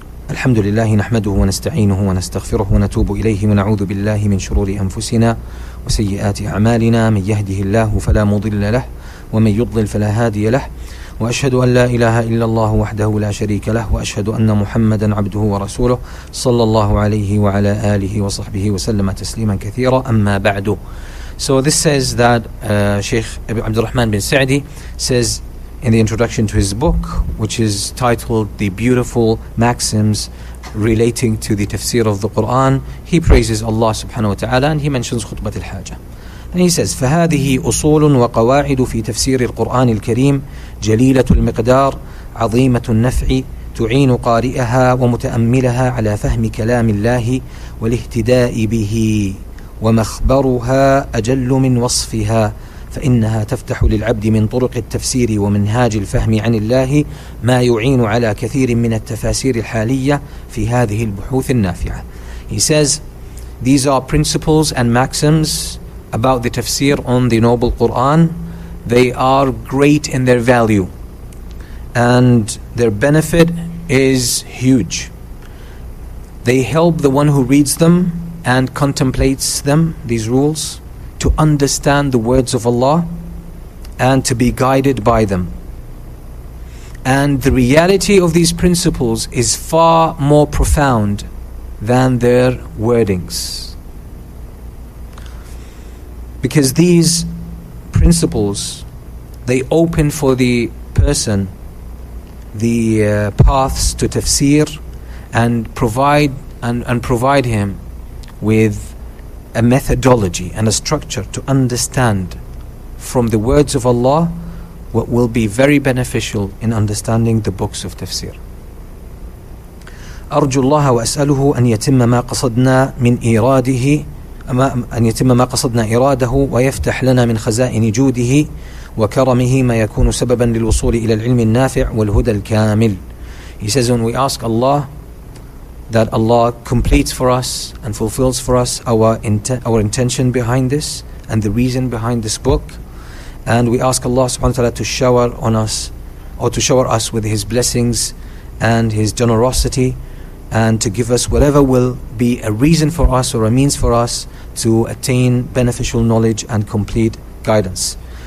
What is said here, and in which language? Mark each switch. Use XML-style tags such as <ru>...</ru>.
<ar>الحمد لله نحمده ونستعينه ونستغفره ونتوب إليه ونعوذ بالله من شرور أنفسنا وسيئات أعمالنا, من يهده الله فلا مضل له ومن يضلل فلا هادي له, وأشهد أن لا إله إلا الله وحده لا شريك له, وأشهد أن محمدا عبده ورسوله صلى الله عليه وعلى آله وصحبه وسلم تسليما كثيرا أما بعد.</ar> <en>So this says that Sheikh Abd al-Rahman bin Sa'di says in the introduction to his book, which is titled The Beautiful Maxims Relating to the Tafsir of the Quran, he praises Allah subhanahu wa ta'ala and he mentions Khutbat al-Hajah. And he says,</en> <ar>فهذه أصول وقواعد في تفسير القرآن الكريم جليلة المقدار عظيمة النفع تعين قارئها ومتأملها على فهم كلام الله والاهتداء به, ومخبرها أجل من وصفها, فإنها تفتح للعبد من طرق التفسير ومنهاج الفهم عن الله ما يعين على كثير من التفاسير الحالية في هذه البحوث النافعة.</ar> <en>He says, these are principles and maxims about the tafsir on the noble Quran. They are great in their value and their benefit is huge. They help the one who reads them and contemplates them, these rules, to understand the words of Allah and to be guided by them. And the reality of these principles is far more profound than their wordings. Because these principles, they open for the person the paths to tafsir and provide him with a methodology and a structure to understand from the words of Allah what will be very beneficial in understanding the books of tafsir.</en> <ar>أرجو الله وأسأله أن يتم ما قصدنا من إيراده أن يتم ما قصدنا إراده ويفتح لنا من خزائن جوده وكرمه ما يكون سببا للوصول إلى العلم النافع والهدى الكامل.</ar> <en>He says, when we ask Allah, that Allah completes for us and fulfills for us our intention behind this and the reason behind this book, and we ask Allah subhanahu wa ta'ala to shower on us or to shower us with His blessings and His generosity, and to give us whatever will be a reason for us or a means for us to attain beneficial knowledge and complete guidance.</en>